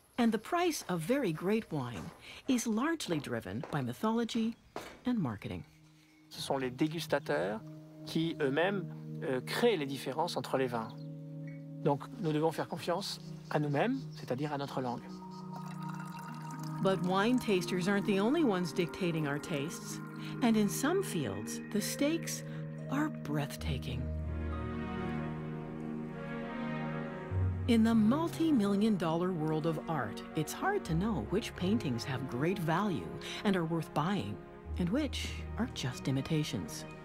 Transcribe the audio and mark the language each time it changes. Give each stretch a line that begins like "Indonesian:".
English: And the price of very great wine is largely driven by mythology and marketing.
French: Ce sont les dégustateurs qui eux-mêmes créent les différences entre les vins. Donc nous devons faire confiance à nous-mêmes, c'est-à-dire à notre langue.
English: But wine tasters aren't the only ones dictating our tastes. And in some fields, the stakes are breathtaking. In the multi-million dollar world of art, it's hard to know which paintings have great value and are worth buying, and which are just imitations.